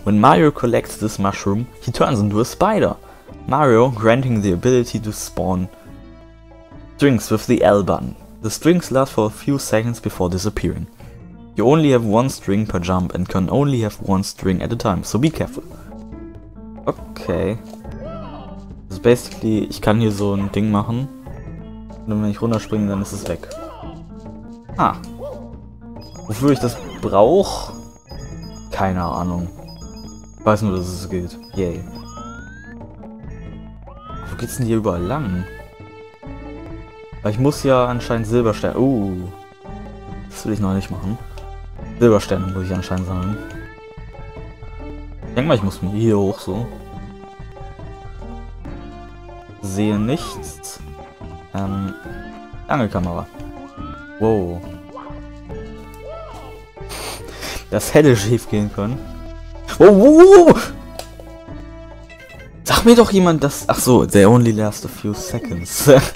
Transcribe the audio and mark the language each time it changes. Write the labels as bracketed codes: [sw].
[en] When Mario collects this mushroom, he turns into a spider. Mario granting the ability to spawn strings with the L button. The strings last for a few seconds before disappearing. You only have one string per jump and can only have one string at a time, so be careful. Okay. [de] Also basically, ich kann hier so ein Ding machen. Und wenn ich runterspringe, dann ist es weg. Ah. Wofür ich das brauche? Keine Ahnung. Ich weiß nur, dass es geht. Yay. Wo geht's denn hier überall lang? Weil ich muss ja anscheinend Silbersterne... Das will ich noch nicht machen. Silbersterne muss ich anscheinend sammeln. Ich denke mal, ich muss hier hoch so. Sehe nichts. Lange Kamera. Wow. Das hätte schief gehen können. Oh, wow, wow, wow. Sag mir doch jemand, dass... Ach so, [en] they only last a few seconds.